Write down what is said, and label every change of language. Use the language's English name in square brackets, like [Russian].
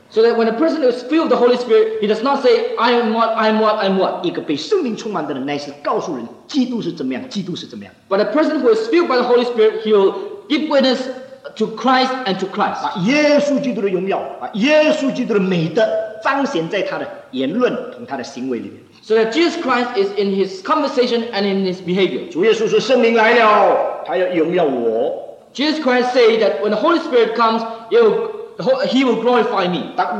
[English] So that when a person is filled with the Holy Spirit, he does not say, I am what, I am what, I am what. [Chinese] 一个被圣灵充满的人乃是告诉人基督是怎么样基督是怎么样。 [English] But a person who is filled by the Holy Spirit, he will give witness to Christ and to Christ. [Chinese] 把耶稣基督的荣耀把耶稣基督的美德彰显在他的言论和他的行为里面。 [English] So that Jesus Christ is in his conversation and in his behavior. [Chinese] 主耶稣说圣灵来了他要荣耀我。 [English] Jesus Christ said that when the Holy Spirit comes, he will glorify me.